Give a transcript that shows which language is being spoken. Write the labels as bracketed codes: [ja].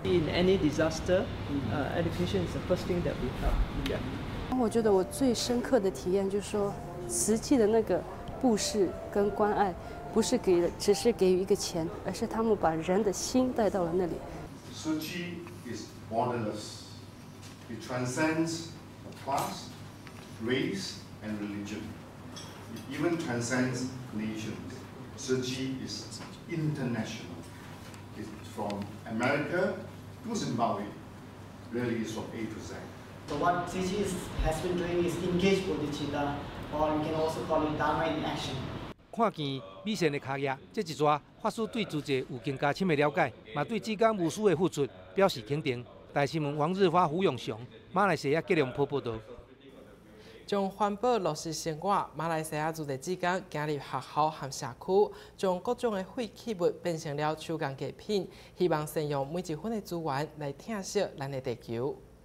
[en] In any disaster, education is the first thing that we help. Yeah. [zh] 我觉得我最深刻的体验就是说，慈济的那个布施跟关爱，不是给只是给予一个钱，而是他们把人的心带到了那里。 [en] Suzy is borderless. It transcends class, race, and religion. It even transcends nations. Suzy is international. From America to Zimbabwe, really is from A to Z. So what Suzy has been doing is engage bodhicitta, or you can also call it Dharma in action. [zh] 看见美善的脚印，这一撮法师对组织有更加深的了解，也对志工无私的付出表示肯定。大新闻王日花、胡永雄，马来西亚吉隆坡报道。将环保落实生活，马来西亚组织志工走入学校和社区，将各种的废弃物变成了手工艺品，希望善用每一分的资源来疼惜咱的地球。